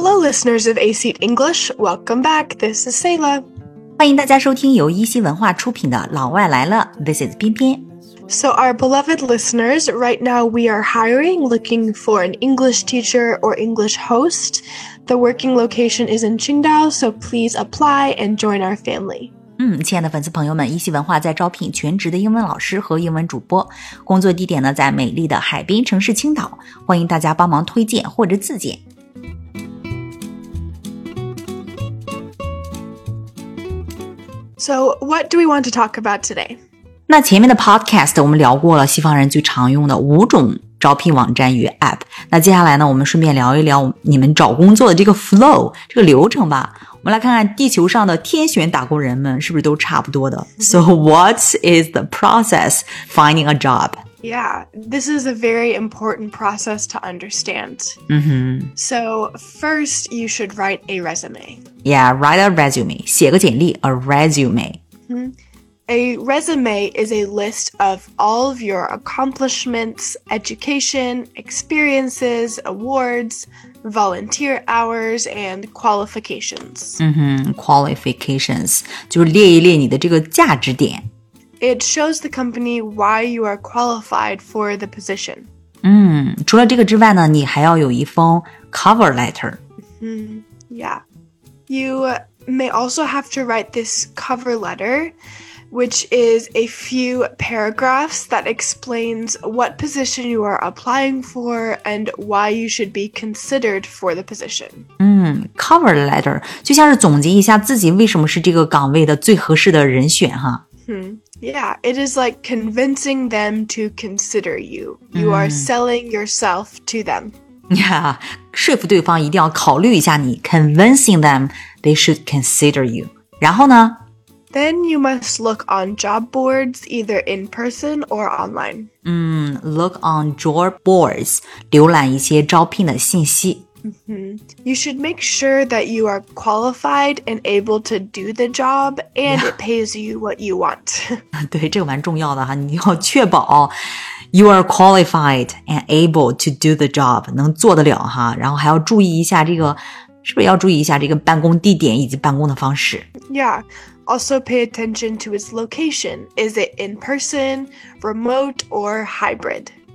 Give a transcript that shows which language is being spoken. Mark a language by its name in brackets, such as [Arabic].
[English] listeners of A-Seat English, welcome back. This is Sayla. [Chinese] 欢迎大家收听由一席文化出品的《老外来了》。 [English] This is 彬彬。 So our beloved listeners, right now we are hiring, looking for an English teacher or English host. The working location is in Qingdao, so please apply and join our family. [Chinese] 亲爱的粉丝朋友们，一席文化在招聘全职的英文老师和英文主播，工作地点呢在美丽的海滨城市青岛，欢迎大家帮忙推荐或者自荐。 [English] So what do we want to talk about today? [Chinese] 那前面的 podcast 我们聊过了西方人最常用的五种招聘网站与 app， 那接下来呢我们顺便聊一聊你们找工作的这个 flow， 这个流程吧。我们来看看地球上的天选打工人们是不是都差不多的。 [English] So what is the process finding a job? Yeah, this is a very important process to understand. Mm-hmm. So first, you should write a resume. Yeah, write a resume. [Chinese] 写个简历 [English] a resume.、 Mm-hmm. A resume is a list of all of your accomplishments, education, experiences, awards,volunteer hours and qualifications. Mm-hmm, qualifications. [Chinese] 就列一列你的这个价值点。 [English] It shows the company why you are qualified for the position. [Chinese] 除了这个之外呢你还要有一封 cover letter. [English] Yeah. You may also have to write this cover letter, which is a few paragraphs that explains what position you are applying for and why you should be considered for the position. [Chinese] Cover letter, 就像是总结一下自己为什么是这个岗位的最合适的人选哈。 [English] Yeah, it is like convincing them to consider you. You are selling yourself to them. [Chinese] Yeah, 说服对方一定要考虑一下你 [English] convincing them they should consider you. [Chinese] 然后呢 [English] Then you must look on job boards, either in person or online. Look on job boards, [Chinese] 浏览一些招聘的信息。 [English] You should make sure that you are qualified and able to do the job, and it pays you what you want. [Chinese] 对，这个蛮重要的哈，你要确保 [English] you are qualified and able to do the job, [Chinese] 能做得了哈，然后还要注意一下这个，是不是要注意一下这个办公地点以及办公的方式。 [English] Yeah. Also pay attention to its location. Is it in person, remote, or hybrid?